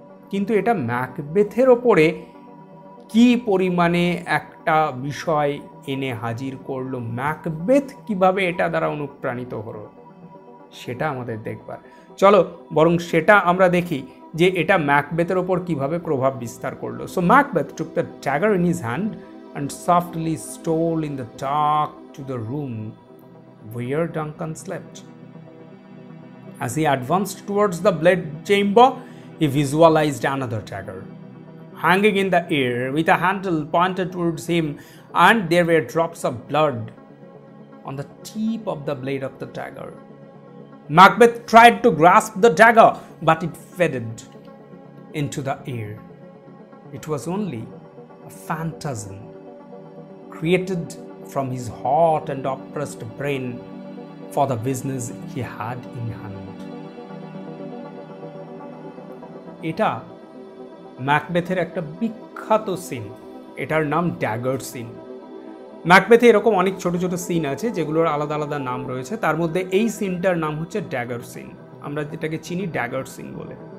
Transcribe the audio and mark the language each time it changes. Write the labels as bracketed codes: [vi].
[bn] কিন্তু এটা ম্যাকবেথের ওপরে কি পরিমাণে একটা বিষয় এনে হাজির করলো, ম্যাকবেথ কিভাবে এটা দ্বারা অনুপ্রাণিত হলো, সেটা আমাদের দেখবার। চলো বরং সেটা আমরা দেখি যে এটা ম্যাকবেথের ওপর কিভাবে প্রভাব বিস্তার করলো। [en] So Macbeth took the dagger in his hand and softly stole in the dark to the room where Duncan slept. As he advanced towards the blade chamber he visualized another dagger hanging in the air with a handle pointed towards him, and there were drops of blood on the tip of the blade of the dagger. Macbeth tried to grasp the dagger, but it faded into the air. It was only a phantasm created from his hot and oppressed brain for the business he had in hand. [bn] Eta ম্যাকবেথের একটা বিখ্যাত scene, এটার নাম dagger scene. ম্যাকবেথে এরকম অনেক ছোটো ছোটো scene আছে যেগুলোর আলাদা আলাদা নাম রয়েছে, তার মধ্যে এই সিনটার নাম হচ্ছে ড্যাগার সিন, আমরা যেটাকে চিনি ড্যাগার সিন বলে।